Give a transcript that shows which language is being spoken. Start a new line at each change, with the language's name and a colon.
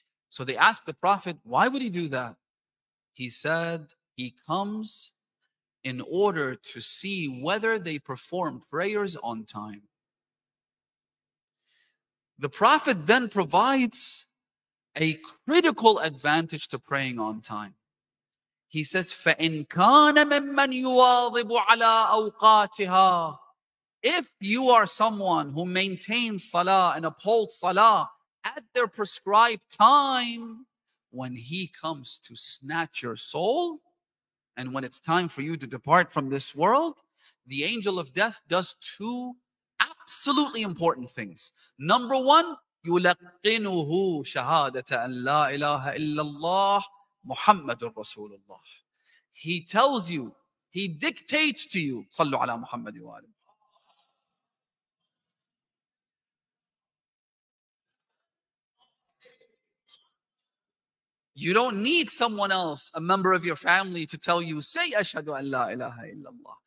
English: So they ask the Prophet, why would he do that? He said, he comes in order to see whether they perform prayers on time. The Prophet then provides a critical advantage to praying on time. He says,
Arabic: فَإِنْ كَانَ مِمَّنْ يُوَاضِبُ عَلَىٰ أَوْقَاتِهَا.
English: If you are someone who maintains salah and upholds salah at their prescribed time, when he comes to snatch your soul, and when it's time for you to depart from this world, the angel of death does 2 absolutely important things. Number one,
Arabic: يُلَقِّنُهُ شَهَادَةَ أَنْ لَا إِلَهَ إِلَّا اللَّهِ Muhammadur Rasulullah.
English: He tells you, he dictates to you,
Arabic: صلوا على محمد وآل.
English: You don't need someone else, a member of your family, to tell you, say
Arabic: أشهد أن لا إله إلا الله.